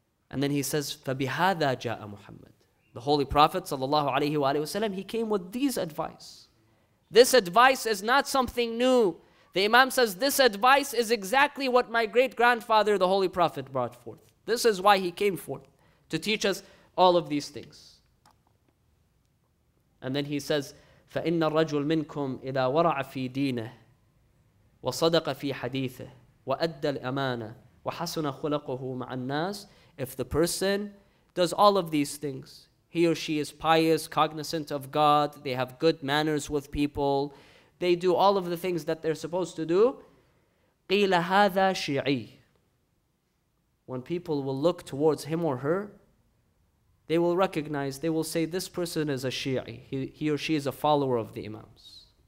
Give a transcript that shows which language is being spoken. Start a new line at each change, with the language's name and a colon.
English: And then he says,
Arabic: فَبِهَذَا جَاءَ مُحَمَّدٍ.
English: The Holy Prophet, sallallahu alayhi wa sallam, he came with these advice. This advice is not something new. The Imam says, this advice is exactly what my great-grandfather, the Holy Prophet, brought forth. This is why he came forth, to teach us all of these things. And then he says,
Arabic: فَإِنَّ الرَّجُلْ مِنْكُمْ إِذَا وَرَعَ فِي دِينَهِ وَصَدَقَ فِي حَدِيثِهِ وَأَدَّ الْأَمَانَةِ وَحَسُنَ خُلَقُهُ مَعَ النَّاسِ.
English: If the person does all of these things, he or she is pious, cognizant of God, they have good manners with people, they do all of the things that they're supposed to do,
Arabic: قِيلَ هَذَا شِعِي.
English: when people will look towards him or her, they will recognize, they will say, this person is a Shi'i, he or she is a follower of the Imams.